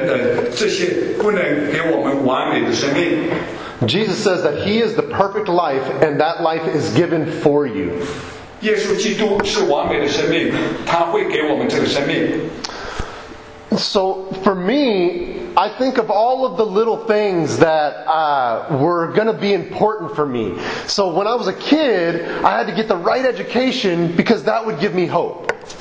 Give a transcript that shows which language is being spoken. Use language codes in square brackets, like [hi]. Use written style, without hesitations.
[zh] 耶稣基督说，教导我们，我们赚钱、追求财富等等，这些不能给我们完美的生命。 [en] Jesus says that He is the perfect life, and that life is given for you. [zh] 耶稣基督是完美的生命，他会给我们这个生命。 [en] So for me, I think of all of the little things that were going to be important for me. So when I was a kid, I had to get the right education because that would give me hope.